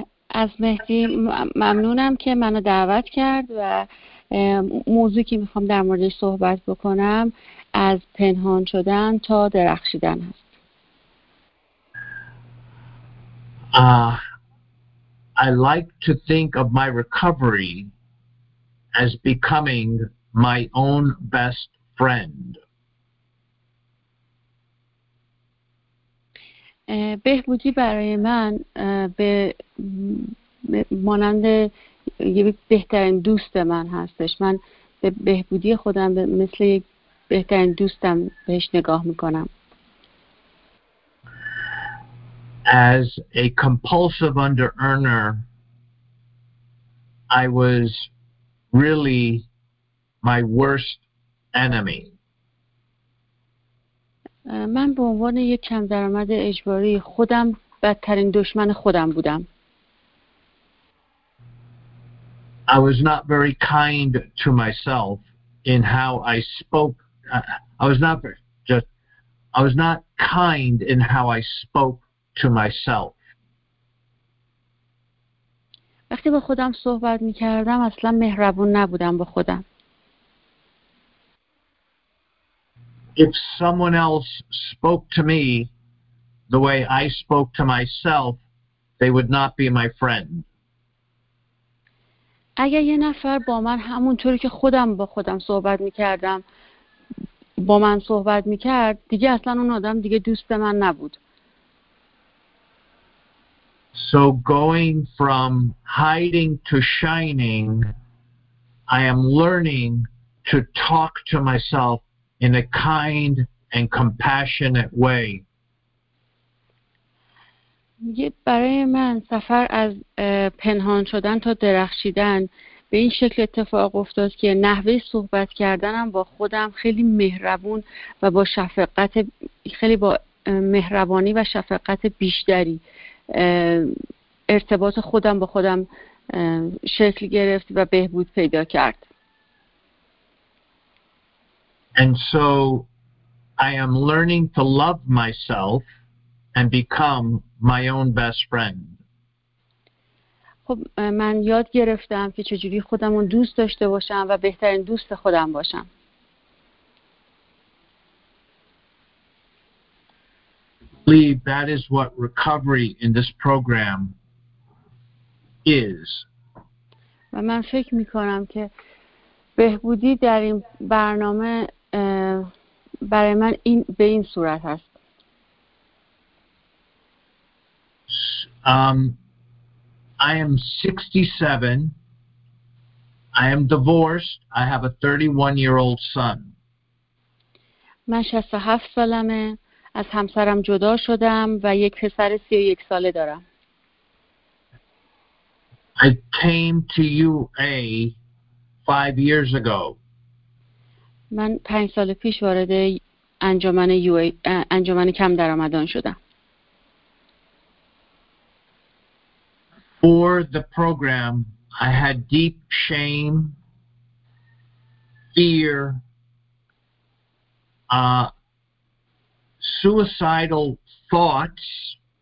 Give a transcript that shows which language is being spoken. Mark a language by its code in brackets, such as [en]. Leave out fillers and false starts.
[fa] از مهدی ممنونم که منو دعوت کرد و موضوعی که می خوام در موردش صحبت بکنم از پنهان شدن تا درخشیدن هست. [en] I like to think of my recovery as becoming my own best friend. [fa] بهبودی برای من به مانند یک بهترین دوست من هستش. من به بهبودی خودم مثل یک بهترین دوستم بهش نگاه میکنم. [en] As a compulsive under-earner, I was really my worst enemy. [fa] من به عنوان یک کم درآمد اجباری خودم بدترین دشمن خودم بودم. [en] I was not very kind to myself in how I spoke. I was not kind in how I spoke to myself. [fa] وقتی با خودم صحبت می‌کردم اصلا مهربون نبودم با خودم. [en] If someone else spoke to me the way I spoke to myself, they would not be my friend. [fa] اگر یه نفر با من همونطوری که خودم با خودم صحبت می‌کردم با من صحبت می‌کرد، دیگه اصلا اون آدم دیگه دوست من نبود. [en] So going from hiding to shining, I am learning to talk to myself in a kind and compassionate way. [fa] برای من سفر از پنهان شدن تا درخشیدن به این شکل اتفاق افتاد که نحوه صحبت کردنم با خودم خیلی مهربون و با شفقت، خیلی با مهربانی و شفقت بیشتری ارتباط خودم با خودم شکل گرفت و بهبود پیدا کرد. [en] And so I am learning to love myself and become my own best friend. [fa] خب من یاد گرفتم که چجوری خودم رو دوست داشته باشم و بهترین دوست خودم باشم. [en] Believe that is what recovery in this program is. [fa] و من فکر می‌کنم که بهبودی در این برنامه برای من این به این صورت است. [en] I am 67. I am divorced. I have a 31-year-old son. [fa] من 67 سالمه. از همسرم جدا شدم و یک پسر 31 ساله دارم. [en] I came to UA 5 years ago. [fa] من 5 سال پیش وارد انجمن UA انجمن کم درآمدان شدم. [en] For the program, I had deep shame, fear, suicidal thoughts.